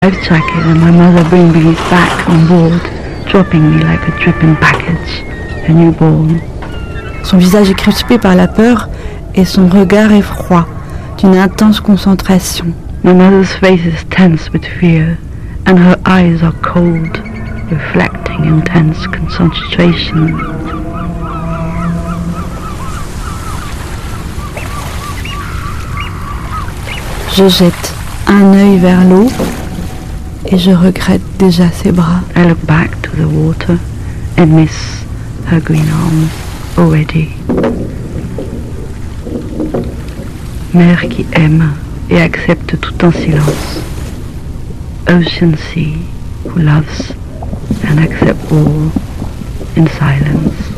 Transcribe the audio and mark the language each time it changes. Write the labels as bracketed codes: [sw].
[en] Bedsacket and my mother bring me back on board, dropping me like a dripping package, a newborn. [fr] Son visage est crispé par la peur et son regard est froid, d'une intense concentration. [en] My mother's face is tense with fear and her eyes are cold, reflecting intense concentration. [fr] Je jette un œil vers l'eau et je regrette déjà ses bras. [en] I look back to the water and miss her green arms already. [fr] Mère qui aime et accepte tout en silence. [en] Ocean sea who loves and accepts all in silence.